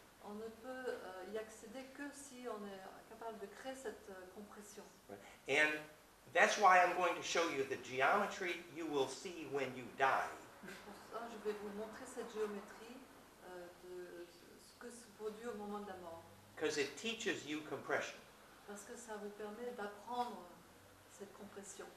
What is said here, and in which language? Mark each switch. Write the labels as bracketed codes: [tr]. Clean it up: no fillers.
[fr] On ne peut y accéder que si on est capable de créer cette compression. [en] And that's why I'm going to show you the geometry you will see when you die. [fr] Pour ça, je vais vous montrer cette géométrie de ce que se produit au moment de la mort. [en] Because it teaches you compression. [fr] Parce que ça vous permet d'apprendre cette compression.